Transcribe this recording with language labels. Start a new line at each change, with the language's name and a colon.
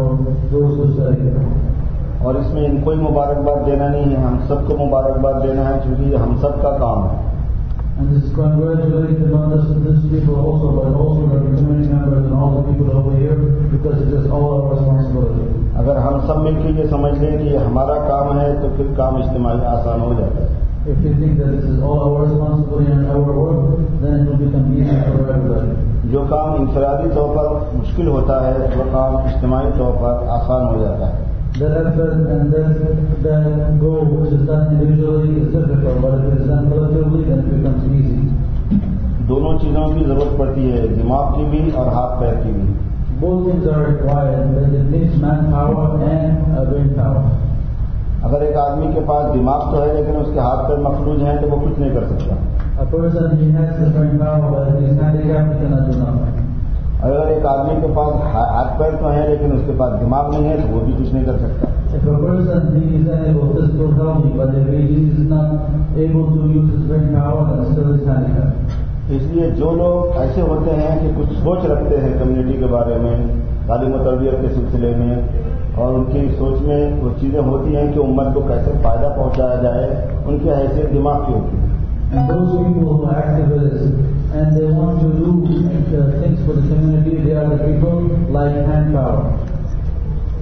Urdu: اور اس میں ان کو ہی مبارکباد دینا نہیں ہے، ہم سب کو مبارکباد دینا ہے کیونکہ یہ ہم سب کا کام ہے.
English: And this congratulating the members of this people also, but also the community members and all the people over here, because it is all our responsibility.
Urdu: اگر ہم سب مل کے یہ سمجھ لیں کہ یہ ہمارا کام ہے تو پھر کام اجتماعی آسان ہو جاتا ہے.
English: If you think that this is all our responsibility and our work, then it will become easy for everybody.
Urdu: جو کام انفرادی طور پر مشکل ہوتا ہے وہ کام اجتماعی طور پر آسان ہو جاتا ہے.
English: The effort and that goal which is done individually is difficult, but if it is done collectively, then it becomes easy.
Urdu: دونوں چیزوں کی ضرورت پڑتی ہے، دماغ کی بھی اور ہاتھ پیر کی بھی.
English: Both things are required, but it needs manpower and a brain power.
Urdu: اگر ایک آدمی کے پاس دماغ تو ہے لیکن اس کے ہاتھ پیر مفلوج ہیں تو وہ کچھ نہیں کر سکتا.
English: A person who has the brain power but is not able to do nothing.
Urdu: اگر ایک آدمی کے پاس ہاتھ پیر تو ہیں لیکن اس کے پاس دماغ نہیں ہے تو وہ بھی کچھ نہیں کر سکتا.
English: If a person is unable to do something, but if he is not able to use his brain power, then still is handicapped.
Urdu: اس لیے جو لوگ ایسے ہوتے ہیں کہ کچھ سوچ رکھتے ہیں کمیونٹی کے بارے میں، تعلیم و تربیت کے سلسلے میں، اور ان کی سوچ میں وہ چیزیں ہوتی ہیں کہ امت کو کیسے فائدہ پہنچایا جائے، ان کی حیثیت دماغ کی ہوتی ہے.
English: And those people who are activists and they want to do things for the community, they are the people like hand power.